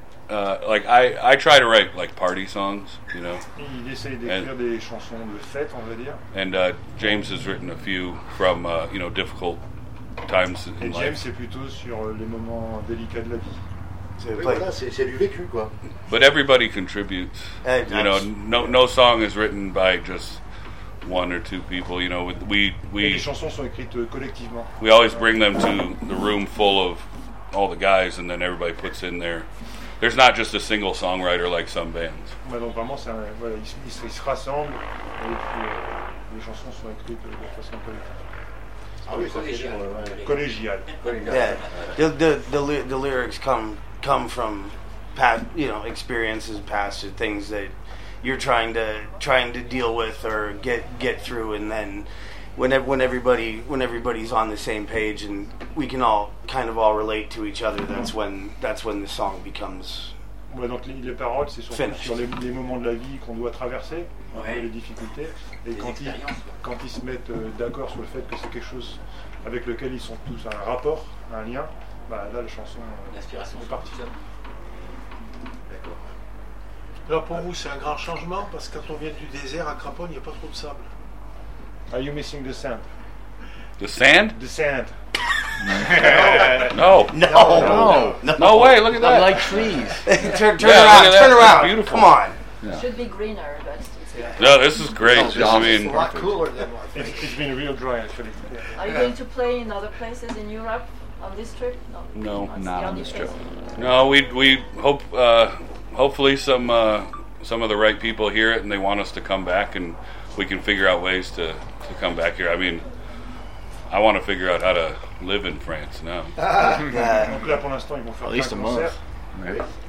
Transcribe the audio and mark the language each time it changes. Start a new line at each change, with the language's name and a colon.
English: I try to write like party songs, you know.
French: Il essaye d'écrire des chansons de fête, on va dire.
English: And James has written a few from difficult times in James life.
French: James c'est plutôt sur les moments délicats de la vie. C'est du vécu quoi.
English: But everybody contributes. No song is written by just one or two people, you know. We
French: les chansons sont écrites collectivement.
English: We always bring them to the room full of all the guys, and then everybody puts in their. There's not just a single songwriter like some bands.
French: Mais donc vraiment, ils se rassemblent et puis les chansons sont écrites de façon collégiale. Collégiale.
English: Yeah. The lyrics come from past, experiences, past things that you're trying to deal with or get through, and then when everybody's on the same page and we can all kind of all relate to each other, that's when the song becomes.
French: Ouais, donc les paroles c'est sur les moments de la vie qu'on doit traverser, ouais. Les difficultés et les quand ils se mettent d'accord sur le fait que c'est quelque chose avec lequel ils sont tous un rapport, un lien, bah là la chanson l'inspiration est partie. Alors pour vous c'est un grand changement parce que quand on vient du désert à Crapone, il n'y a pas trop de sable.
English: Are you missing the sand? The sand? The sand. No way, look at that. I like trees. turn around. Beautiful. Come on. Yeah. Should be greener, but no, this is great. It's a lot cooler than what it's been a real dry actually. Are you going to play in other places in Europe on this trip? No, not on this trip. No, we hope hopefully some of the right people hear it and they want us to come back and we can figure out ways to come back here. I mean, I want to figure out how to live in France now.
French: Donc là, pour l'instant, ils vont faire un concert. Right.